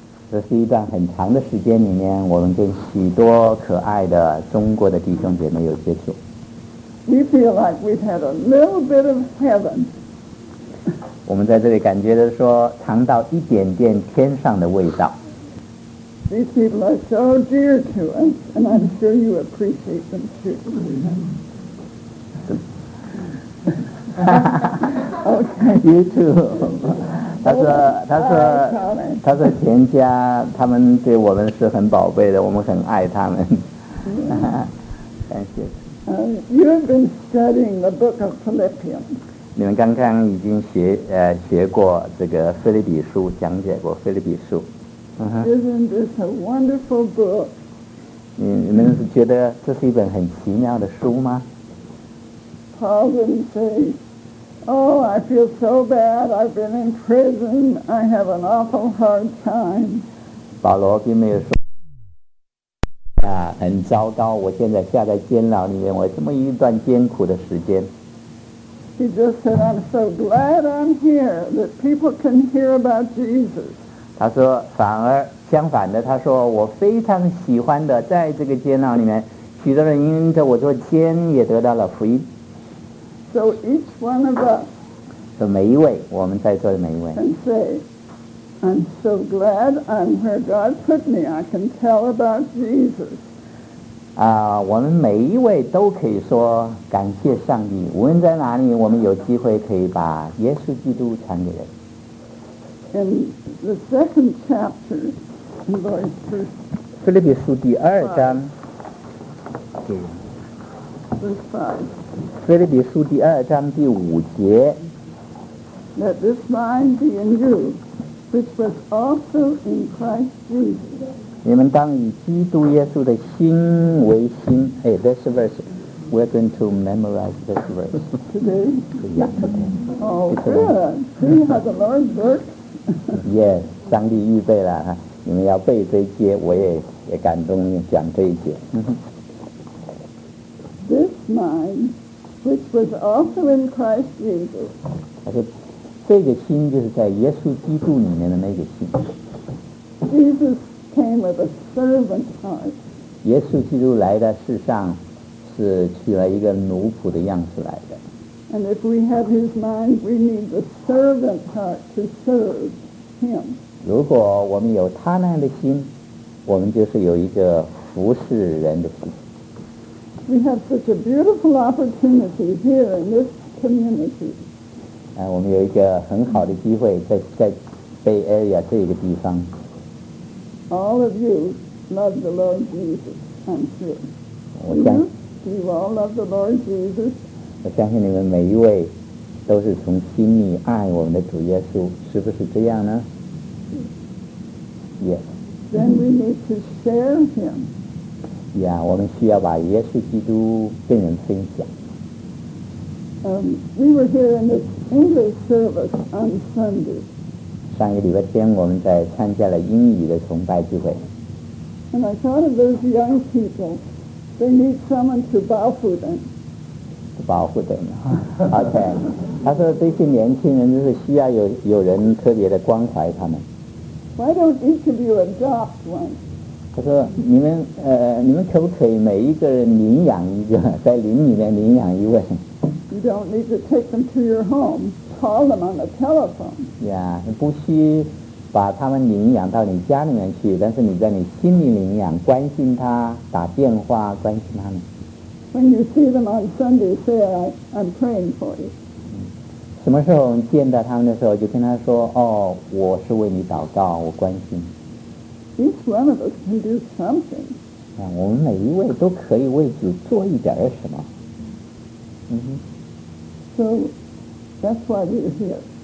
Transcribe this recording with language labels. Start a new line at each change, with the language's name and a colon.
Chinese: 这是一段很长的时间里面，我们跟许多可爱的中国的弟兄姐妹有接触。
English: We feel like we've had a little bit of heaven.
Chinese: 我们在这里感觉的说，尝到一点点天上的味道。
English: These people are so dear to us, and I'm sure you appreciate them too. Okay, you too.
Chinese: 他说全家他们对我们是很宝贝的，我们很爱他们。感谢。
English: You have been studying the book of Philippians.
Chinese: 你们刚刚已经学过这个腓立比书，讲解过腓立比书。
English: Isn't this a wonderful book?
Chinese: 你们是觉得这是一本很奇妙的书吗？
English: Paul didn't say, "Oh, I feel so bad. I've been in prison. I have an awful hard time."
Chinese: 保罗并没有说啊，很糟糕。我现在下在监牢里面，我这么一段艰苦的时间。
English: He just said, "I'm so glad I'm here that people can hear about Jesus."
Chinese: 他说，反而相反的，他说我非常喜欢的，在这个监牢里面，许多人因着我做监也得到了福音。
English: So each one of us.
Chinese: 所以每一位，我们在座的每一位。
English: And say, I'm so glad I'm where God put me. I can tell about Jesus.
Chinese: 啊，我们每一位都可以说感谢上帝，无论在哪里，我们有机会可以把耶稣基督传给人。
English: In the second chapter, in verse 2.
Chinese: 腓立比书第二章。对。腓立比书第二章第五节。
English: Let this mind be in you, which was also in Christ Jesus.
Chinese: 你们当以基督耶稣的心为心。
English: Hey, this verse, we're going to memorize this verse. Today? Yeah, today. Oh, good. See how the Lord works. Yes,
Chinese: 上帝预备了，你们要背这一节，我也感动讲这一节。
English: This mind, which was also in Christ Jesus.
Chinese: 他说，这个心就是在耶稣基督里面的那个心。
English: Jesus came with a servant heart.
Chinese: 耶稣基督来到世上，是取了一个奴仆的样子来的。
English: And if we have his mind, we need the servant heart to serve him.
Chinese: 如果我们有他那样的心，我们就是有一个服侍人的心。
English: We have such a beautiful opportunity here in this community.
Chinese: 我们有一个很好的机会在 Bay Area 这个地方。
English: All of you love the Lord Jesus, I'm sure.
Chinese: 我相
English: 信。Do you all love the Lord Jesus?
Chinese: 我相信你们每一位都是从心里爱我们的主耶稣，是不是这样呢？
English: Yes. Then we need to share him.
Chinese: Yeah, 我们需要把耶稣基督跟人分享。
English: We were here in this English service on Sunday.
Chinese: 上一个礼拜天我们在参加了英语的崇拜聚会。
English: And I thought of those young people. They need someone to
Chinese: 保护
English: them.
Chinese: 保护
English: them. Okay.
Chinese: 他说这些年轻人就是需要有人特别的关怀他们。
English: Why don't each of you adopt one?
Chinese: 他说你们可不可以每一个人领养一个，在林里面领养一位。
English: You don't need to take them to your home. Call them on the telephone.
Chinese: Yeah, 不需把他们领养到你家里面去，但是你在你心里领养，关心他，打电话关心他们。
English: When you see them on Sunday, say, I'm praying for you.
Chinese: 什么时候见到他们的时候，就跟他说，哦，我是为你祷告，我关心。
English: Each one of us can do something.
Chinese: 我们每一位都可以为主做一点什么。
English: So that's why we're here.